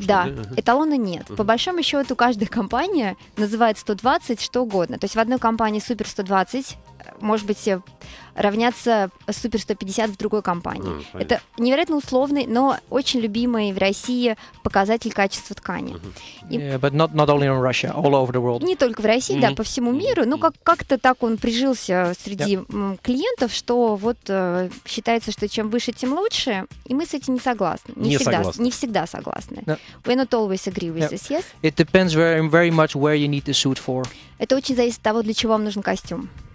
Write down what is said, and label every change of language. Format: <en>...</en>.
<ru>да, что ли? Эталона нет. По большому счету, каждая компания называет 120 что угодно. То есть в одной компании супер 120 может быть равняться супер 150 в другой компании. Это невероятно условный, но очень любимый в России показатель качества ткани.</ru> <en>But not only in Russia, all over the world.</en> <ru>Не только в России, да, по всему миру. Ну, как-то так он прижился среди клиентов, что вот считается, что чем выше, тем лучше. И мы с этим не согласны. Не всегда согласны.</ru> <en>No. We're not always agree with this, yes? It depends very, very much where you need the suit for.</en> <ru>Это очень зависит от того, для чего вам нужен костюм.</ru>